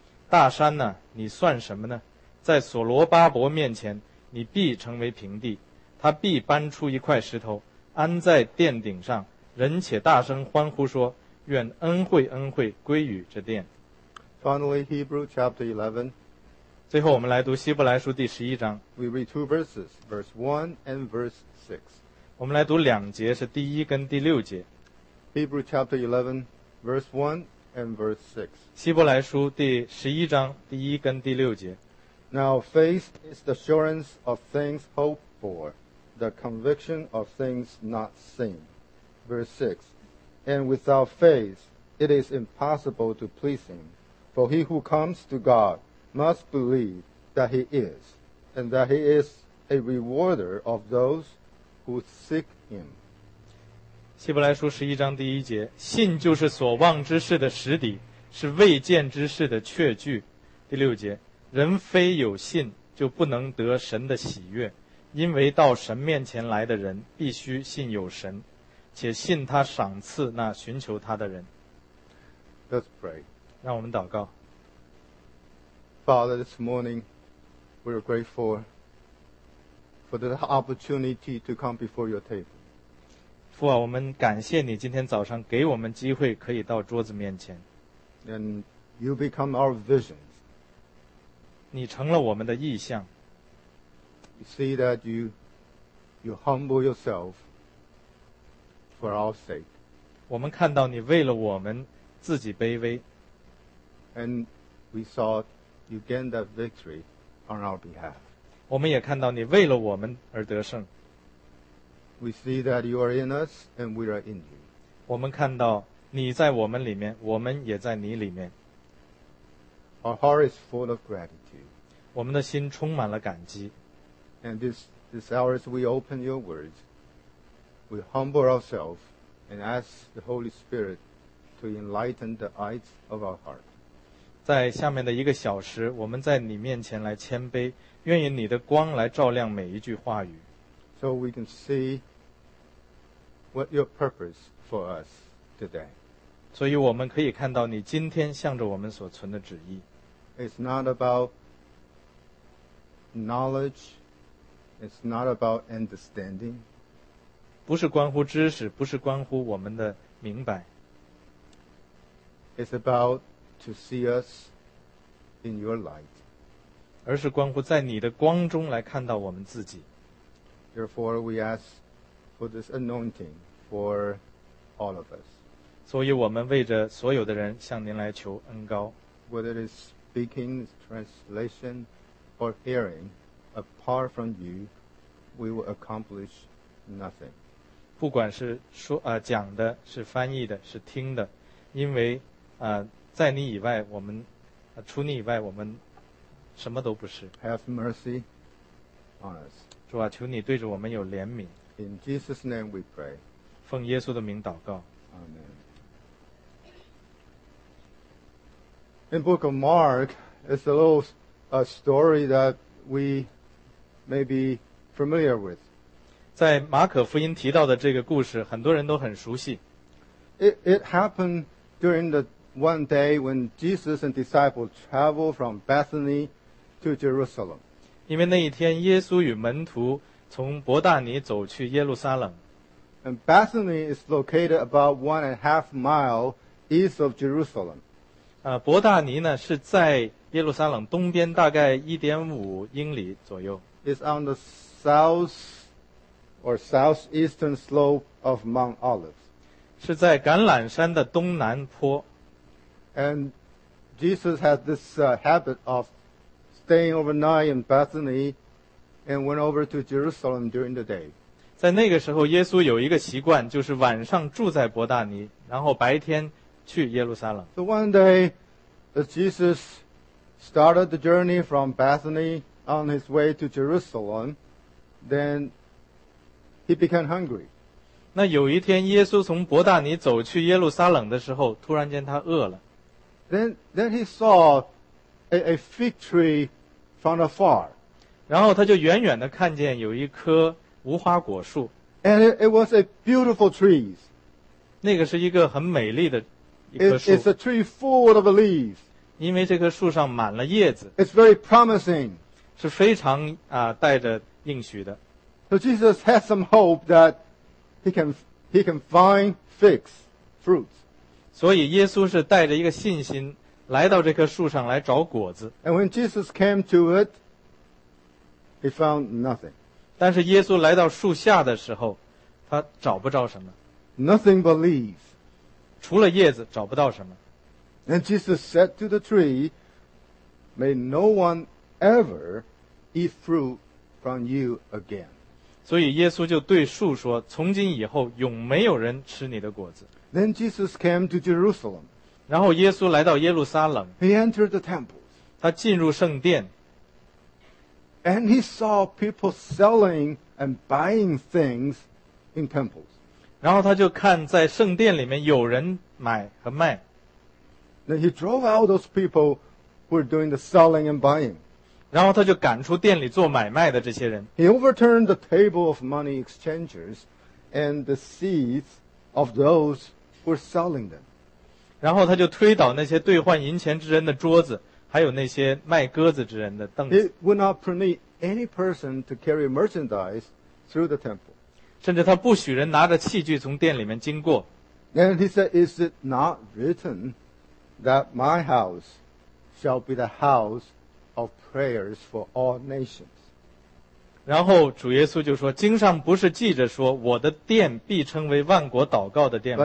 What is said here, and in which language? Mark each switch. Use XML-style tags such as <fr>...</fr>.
<zh>大山呢，你算什么呢？在所罗巴伯面前你必成为平地，他必搬出一块石头安在殿顶上，人且大声欢呼说，愿恩惠恩惠归于这殿。</zh> <en>Finally, Hebrew chapter 11.</en> <zh>最后我们来读希伯来书第十一章。</zh> <en>We read two verses, verse 1 and verse 6.</en> <zh>我们来读两节，是第一跟第六节。</zh> <en>Hebrew chapter 11, verse 1 and verse 6.</en> <zh>希伯来书第十一章第一跟第六节。</zh> <en>Now faith is the assurance of things hoped for, the conviction of things not seen. Verse 6. And without faith, it is impossible to please him. For he who comes to God must believe that he is, and that he is a rewarder of those who seek him.</en> <zh>希伯来书十一章第一节，信就是所望之事的实底，是未见之事的确据。第六节，人非有信就不能得神的喜悦，因为到神面前来的人必须信有神，且信他赏赐那寻求他的人。</zh> <en>Let's pray.</en> <zh>让我们祷告。</zh> <en>Father, this morning we are grateful for the opportunity to come before your table.</en> <zh>父啊，我们感谢你今天早上给我们机会可以到桌子面前。</zh> <en>And you become our vision.</en> <zh>你成了我们的意象。</zh> <en>You see that you humble yourself for our sake.</en> <zh>我们看到你为了我们自己卑微。</zh> <en>And we saw you gain that victory on our behalf.</en> <zh>我们也看到你为了我们而得胜。</zh> <en>We see that you are in us and we are in you.</en> <zh>我们看到你在我们里面，我们也在你里面。</zh> <en>Our heart is full of gratitude.</en> <zh>我们的心充满了感激。</zh> <en>And this hour as we open your words, we humble ourselves and ask the Holy Spirit to enlighten the eyes of our heart.</en> <zh>在下面的一个小时，我们在你面前来谦卑，愿意你的光来照亮每一句话语。</zh> <en>So we can see what your purpose for us today.</en> <zh>所以我们可以看到你今天向着我们所存的旨意。</zh> <en>It's not about knowledge. It's not about understanding.</en> <zh>不是关乎知识，不是关乎我们的明白。</zh> <en>It's about to see us in your light.</en> <zh>而是关乎在你的光中来看到我们自己。</zh> <en>Therefore, we ask for this anointing for all of us.</en> <zh>所以我们为着所有的人向您来求恩膏。</zh> <en>Whether it is speaking, translation, or hearing apart from you, we will accomplish nothing.</en> <zh>不管是说啊、讲的是翻译的是听的，因为啊、在你以外我们、除你以外我们什么都不是。</zh> <en>Have mercy on us.</en> <zh>主啊，求你对着我们有怜悯。</zh> <en>In Jesus' name we pray.</en> <zh>奉耶稣的名祷告。</zh> <en>Amen. In the book of Mark, it's a little story that we may be familiar with.</en> <zh>在马可福音提到的这个故事，很多人都很熟悉。</zh> <en>It happened during the one day when Jesus and disciples traveled from Bethany to Jerusalem.</en> <zh>因为那一天，耶稣与门徒从伯大尼走去耶路撒冷。</zh> <en>And Bethany is located about 1.5 miles east of Jerusalem.</en> <zh>伯大尼呢是在耶路撒冷东边大概 1.5 英里左右。</zh> <en>It's on the south or southeastern slope of Mount Olives.</en> <zh>是在橄榄山的东南坡。</zh> <en>And Jesus had this habit of staying overnight in Bethany and went over to Jerusalem during the day.</en> <zh>在那个时候，耶稣有一个习惯，就是晚上住在伯大尼，然后白天。去耶路撒冷。</zh> <en>So one day, Jesus started the journey from Bethany on his way to Jerusalem. Then he became hungry.</en> <zh>那有一天，耶稣从伯大尼走去耶路撒冷的时候，突然间他饿了。</zh> <en>Then he saw a fig tree from afar.</en> <zh>然后他就远远的看见有一棵无花果树。</zh> <en>And it was a beautiful tree.</en> <zh>那个是一个很美丽的。</zh> <en>It's a tree full of leaves.</en> <zh>因为这棵树上满了叶子。</zh> <en>It's very promising.</en> <zh>是非常啊、带着应许的。</zh> <en>So Jesus has some hope that he can find figs, fruits.</en> <zh>所以耶稣是带着一个信心来到这棵树上来找果子。</zh> <en>And when Jesus came to it, he found nothing.</en> <zh>但是耶稣来到树下的时候，他找不着什么。</zh> <en>Nothing but leaves.</en> <zh>除了叶子找不到什么。</zh> <en>And Jesus said to the tree, may no one ever eat fruit from you again.</en> <zh>所以耶稣就对树说，从今以后永没有人吃你的果子。</zh> <en>Then Jesus came to Jerusalem.</en> <zh>然后耶稣来到耶路撒冷。</zh> <en>He entered the temple.</en> <zh>他进入圣殿。</zh> <en>And he saw people selling and buying things in temples.</en> <zh>然后他就看在圣殿里面有人买和卖。</zh> <en>Then he drove out those people who were doing the selling and buying.</en> <zh>然后他就赶出店里做买卖的这些人。</zh> <en>He overturned the table of money exchangers and the seats of those who were selling them.</en> <zh>然后他就推倒那些兑换银钱之人的桌子，还有那些卖鸽子之人的凳子。</zh> <en>He would not permit any person to carry merchandise through the temple.</en> <zh>甚至他不许人拿着器具从店里面经过。</zh> <en>And he said, is it not written that my house shall be the house of prayers for all nations?</en> <zh>然后主耶稣就说，经上不是记着说，我的殿必称为万国祷告的殿吗？</zh>